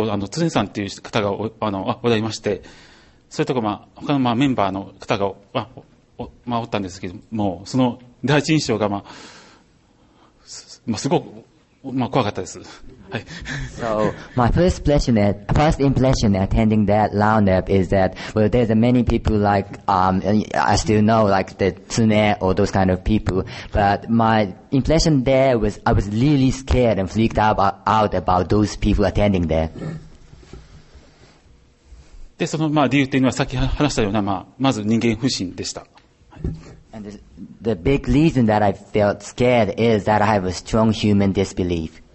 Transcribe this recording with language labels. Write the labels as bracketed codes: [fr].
[ja] つねさんという方が おられまして、それとか、他の、メンバーの方が おったんですけども、その第一印象が、すごく、怖かったです。はい。 [en] So, my first impression attending that roundup is that, well, there's many people like, I still know, like, the Tsune or those kind of people, but my impression there was, I was really scared and freaked out about those people attending there. [ja] で、その、理由っていうのは、さっき話したような、まず人間不信でした。 [en] And the big reason that I felt scared is that I have a strong human disbelief.